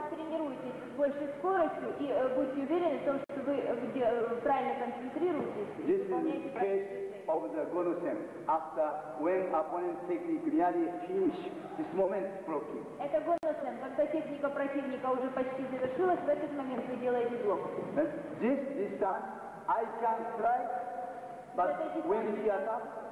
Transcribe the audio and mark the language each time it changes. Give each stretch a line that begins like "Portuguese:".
Russian: Потренируйтесь больше скоростью и будьте уверены в том, что вы правильно концентрируетесь.
English: This is the case of the Gonosen. After when opponent technique really finish this moment blocking.
Russian: Это Gonosen, когда техника противника уже почти завершилась, в этот момент вы делаете блок.
English: This distance I can strike, but when he attack.